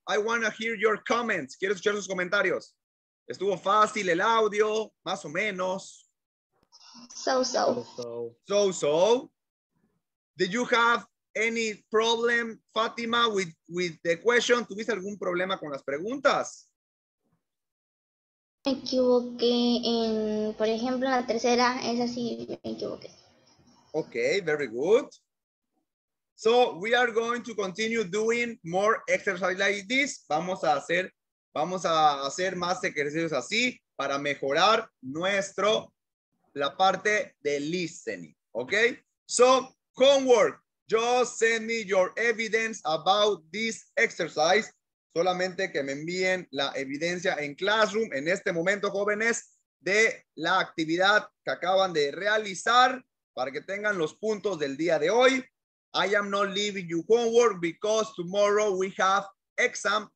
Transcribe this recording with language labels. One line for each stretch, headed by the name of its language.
English: I want to hear your comments.
Spanish: Quiero escuchar sus comentarios. Estuvo fácil el audio, más o menos.
English: So-so. Did you have any problem, Fátima, with the question?
Spanish: ¿Tuviste algún problema con las preguntas? Me equivoqué en, por ejemplo, la tercera, esa sí me equivoqué.
English: Okay, very good. So, we are going to continue doing more exercises like this.
Spanish: Vamos a hacer más ejercicios así para mejorar nuestro la parte de listening, okay?
English: So, homework, just send me your evidence about this exercise.
Spanish: Solamente que me envíen la evidencia en Classroom en este momento, jóvenes, de la actividad que acaban de realizar para que tengan los puntos del día de hoy.
English: I am not leaving you homework because tomorrow we have exam.